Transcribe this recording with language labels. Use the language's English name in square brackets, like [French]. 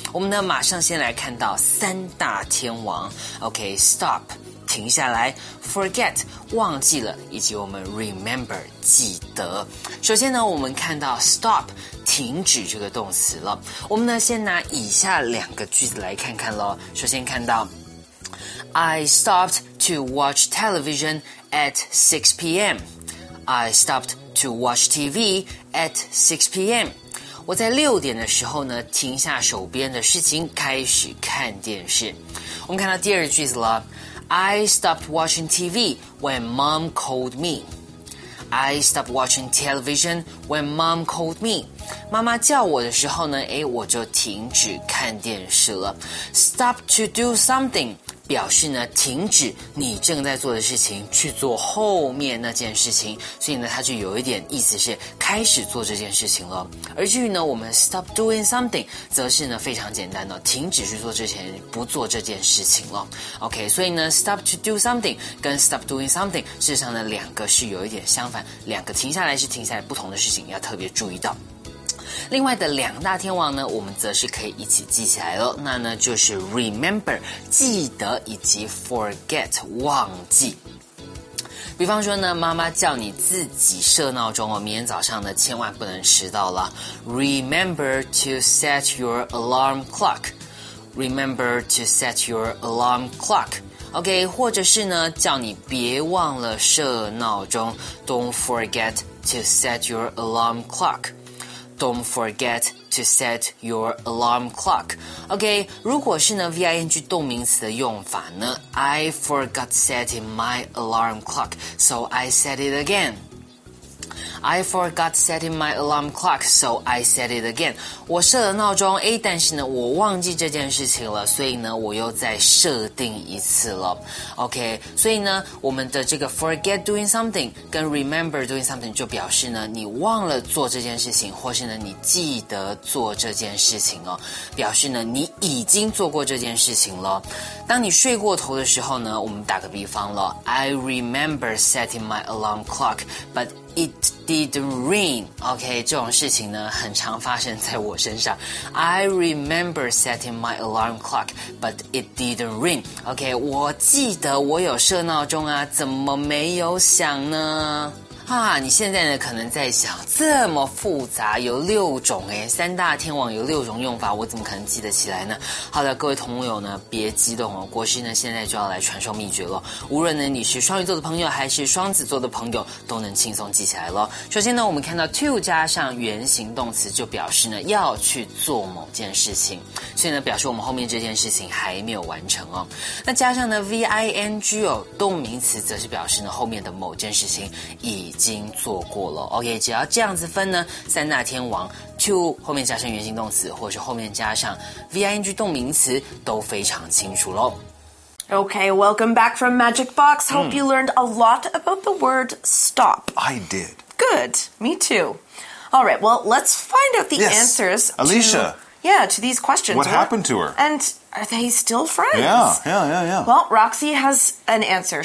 [Chinese] 我们呢马上先来看到三大天王。OK, stop,停下来 ,forget, 忘记了，以及我们 remember, 记得。首先呢，我们看到 stop, 停止这个动词了。我们呢，先拿以下两个句子来看看咯。首先看到 [English] I stopped to watch television at 6 p.m. I stopped to watch TV at 6 p.m. [Chinese] 我在六点的时候呢，停下手边的事情，开始看电视。我们看到第二句子了。 [English] I stopped watching TV when mom called me. I stopped watching television when mom called me. [Chinese] 妈妈叫我的时候呢，诶，我就停止看电视了。 [English] Stop to do something. [Chinese] 表示呢停止你正在做的事情，去做后面那件事情，所以呢它就有一点意思是开始做这件事情了。而至于呢我们 stop doing something 则是呢非常简单的停止去做之前不做这件事情了。 OK, 所以呢 stop to do something 跟 stop doing something 事实上呢两个是有一点相反，两个停下来是停下来不同的事情，要特别注意到。另外的两大天王呢，我们则是可以一起记起来了。那呢，就是 remember 记得以及 forget 忘记。比方说呢，妈妈叫你自己设闹钟哦，明天早上呢千万不能迟到了。 [English] Remember to set your alarm clock. Remember to set your alarm clock. [Chinese] OK, 或者是呢叫你别忘了设闹钟。 [English] Don't forget to set your alarm clock. Don't forget to set your alarm clock. OK, [Chinese] 如果是呢 ,ving 动名词的用法呢 [English] ,I forgot setting my alarm clock, so I set it again. I forgot setting my alarm clock, so I set it again. [Chinese] 我设了闹钟，诶，但是呢我忘记这件事情了，所以呢我又再设定一次了。 OK, 所以呢我们的这个 forget doing something 跟 remember doing something 就表示呢你忘了做这件事情，或是呢你记得做这件事情哦，表示呢你已经做过这件事情了。当你睡过头的时候呢，我们打个比方了， [English] I remember setting my alarm clock, butIt didn't ring. [Chinese] OK, 这种事情呢很常发生在我身上。 [English] I remember setting my alarm clock, but it didn't ring. [Chinese] OK, 我记得我有设闹钟啊，怎么没有响呢？啊，你现在呢可能在想，这么复杂，有六种诶，三大天王有六种用法，我怎么可能记得起来呢？好的，各位同友呢别激动哦，国师呢现在就要来传授秘诀了。无论呢你是双鱼座的朋友还是双子座的朋友，都能轻松记起来了。首先呢我们看到 to 加上原形动词，就表示呢要去做某件事情，所以呢表示我们后面这件事情还没有完成哦。那加上呢 ving 哦，动名词则是表示呢后面的某件事情已经做过了。 OK, 只要这样子分呢，三大天王 to 后面加上原形动词，或者是后面加上 ving 动名词，都非常清楚咯。 [English] OK, welcome back from Magic Box. Hope you learned a lot about the word stop. I did. Good, me too. Alright, well, let's find out the answers. Alicia, Yeah, to these questions. What happened to her? And are they still friends? Yeah. Well, Roxy has an answer.